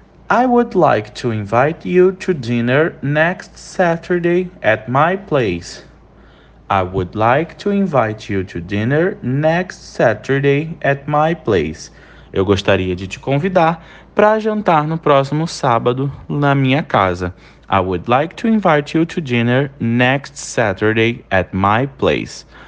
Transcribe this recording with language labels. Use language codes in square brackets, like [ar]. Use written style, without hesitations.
[en] I would like to invite you to dinner next Saturday at my place. I would like to invite you to dinner next Saturday at my place. [pt] Eu gostaria de te convidar para jantar no próximo sábado na minha casa. [en] I would like to invite you to dinner next Saturday at my place.